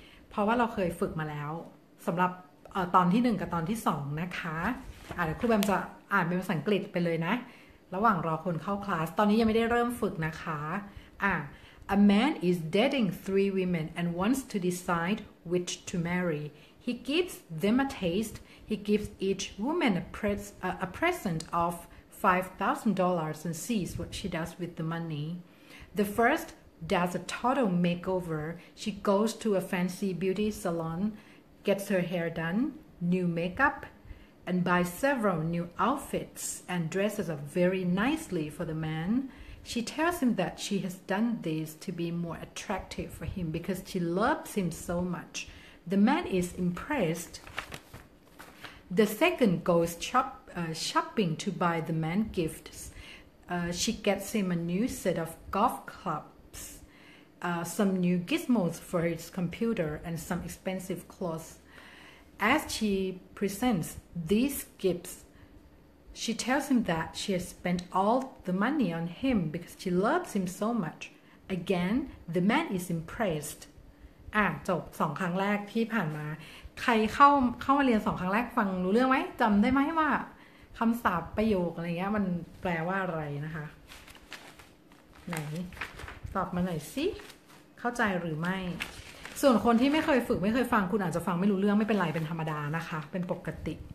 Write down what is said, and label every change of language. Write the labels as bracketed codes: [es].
[th] เพราะว่าเราเคยฝึกมาแล้วสำหรับตอนที่1กับตอนที่2นะคะเดี๋ยวครูแบมจะอ่านเป็นภาษาอังกฤษไปเลยนะระหว่างรอคนเข้าคลาสตอนนี้ยังไม่ได้เริ่มฝึกนะคะ [en] A man is dating 3 women and wants to decide which to marry. He gives them a taste. He gives each woman a present of $5,000 and sees what she does with the money. The firstDoes a total makeover. She goes to a fancy beauty salon, gets her hair done, new makeup, and buys several new outfits and dresses up very nicely for the man. She tells him that she has done this to be more attractive for him because she loves him so much. The man is impressed. The second goes shopping to buy the man gifts. She gets him a new set of golf clubs. Some new gizmos for his computer and some expensive clothes. As she presents these gifts, she tells him that she has spent all the money on him because she loves him so much. Again, the man is impressed. [th] จบ2ครั้งแรกที่ผ่านมาใครเข้ามาเรียน2ครั้งแรกฟังรู้เรื่องไหมจำได้ไหมว่าคำศัพท์ประโยคอะไรเงี้ยมันแปลว่าอะไรนะคะไหนตอบมาหน่อยสิเข้าใจหรือไม่ส่วนคนที่ไม่เคยฝึกไม่เคยฟังคุณอาจจะฟังไม่รู้เรื่องไม่เป็นไรเป็นธรรมดานะคะเป็นปกติ